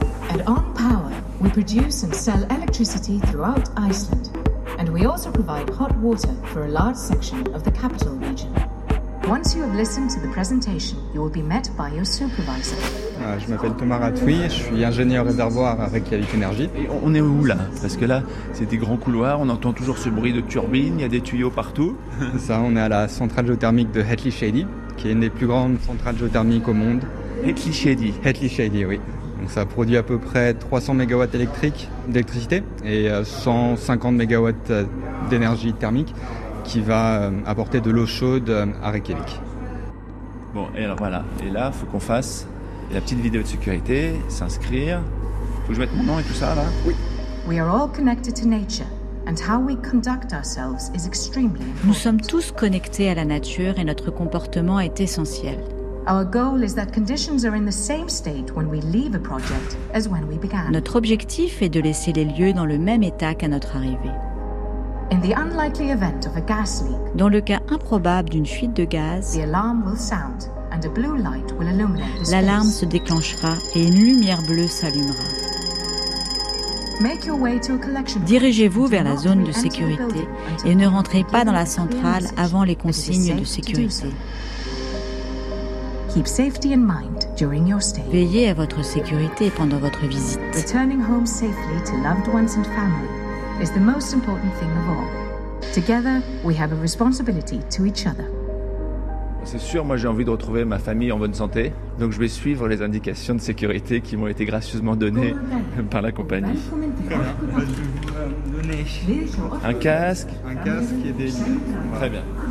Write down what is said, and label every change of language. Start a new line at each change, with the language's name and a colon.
English: At On Power, we produce and sell electricity throughout Iceland. And we also provide hot water for a large section of the capital region. Once you have listened to the presentation, you will be met by your supervisor.
French: Je m'appelle Thomas Ratoui, je suis ingénieur réservoir à Reykjavik Energy. On est où là? Parce que là, c'est des grands couloirs, on entend toujours ce bruit de turbines, il y a des tuyaux partout. Ça, on est à la centrale géothermique de Hellisheiði, qui est une des plus grandes centrales géothermiques au monde. Hellisheiði. Hellisheiði, oui. Donc ça produit à peu près 300 MW électriques d'électricité et 150 MW d'énergie thermique qui va apporter de l'eau chaude à Reykjavik. Bon, et alors voilà. Et là, il faut qu'on fasse la petite vidéo de sécurité, s'inscrire. Il faut que je mette mon nom et tout ça, là. Oui.
English: We are all connected to nature and how we conduct ourselves is extremely important.
French: Nous sommes tous connectés à la nature et notre comportement est essentiel.
English: Our goal is that conditions are in the same state when we leave a project as when we began.
French: Notre objectif est de laisser les lieux dans le même état qu'à notre arrivée.
English: In the unlikely event of a gas leak,
French: dans le cas improbable d'une fuite de gaz,
English: the alarm will sound and a blue light will illuminate the space.
French: L'alarme se déclenchera et une lumière bleue s'allumera.
English: Make your way to a collection.
French: Dirigez-vous vers la zone de sécurité et ne rentrez pas dans la centrale avant les consignes de sécurité.
English: Keep safety in mind during your stay.
French: Veillez à votre sécurité pendant votre visite.
English: Returning home safely to loved ones and family is the most important thing of all. Together, we have a responsibility to each other.
French: C'est sûr, moi j'ai envie de retrouver ma famille en bonne santé, donc je vais suivre les indications de sécurité qui m'ont été gracieusement données par la compagnie. Un casque et des lunettes. Très bien.